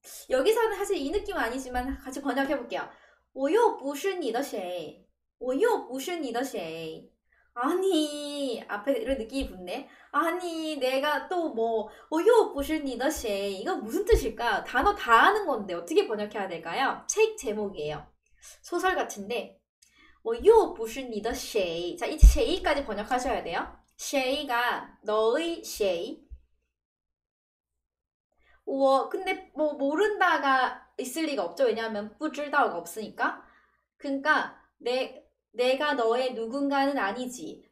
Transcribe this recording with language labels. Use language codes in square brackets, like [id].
[ko] 여기서는 사실 이 느낌 아니지만, 같이 번역해볼게요. [zh] 我又不是你的谁。我又不是你的谁， [ko] 아니 앞에 이런 느낌이 붙네. 아니 내가 또 뭐, [zh] 我又不是你的谁 [ko] 이거 무슨 뜻일까? 단어 다 아는 건데 어떻게 번역해야 될까요? 책 제목이에요. 소설 같은데, [zh] 我又不是你的谁. [ko] 자, 이 谁까지 번역하셔야 돼요. 谁가 너의 谁. 我 근데 뭐 모른다가 있을 리가 없죠. 왜냐하면 不知道가 없으니까. 그러니까 내가 너의 누군가는 아니지.